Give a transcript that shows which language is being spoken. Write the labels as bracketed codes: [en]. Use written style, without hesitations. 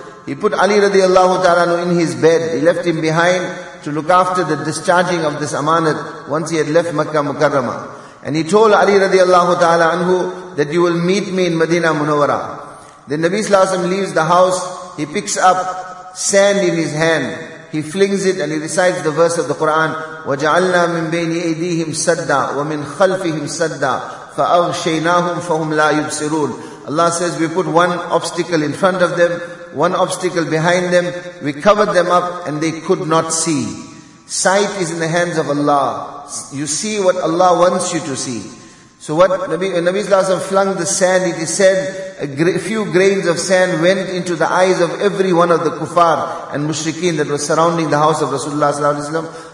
[en] He put Ali radiallahu ta'ala anhu in his bed. He left him behind to look after the discharging of this amanat once he had left Makkah Mukarrama. And he told Ali radiallahu ta'ala anhu that you will meet me in Madinah Munawwara. Then Nabi sallallahu alaihi wasallam leaves the house. He picks up sand in his hand. He flings it and he recites the verse of the Quran, [ar] وَجَعَلْنَا مِنْ بَيْنِ أَيْدِيهِمْ سَدَّا وَمِنْ خَلْفِهِمْ سَدَّا فَأَغْشَيْنَاهُمْ فَهُمْ لَا يُبْصِرُونَ. [en] Allah says, we put one obstacle in front of them, one obstacle behind them, we covered them up and they could not see. Sight is in the hands of Allah. You see what Allah wants you to see. So what Nabi sallallahu alaihi flung the sand, it is said, a few grains of sand went into the eyes of every one of the kuffar and mushrikeen that was surrounding the house of Rasulullah sallallahu alaihi wasallam.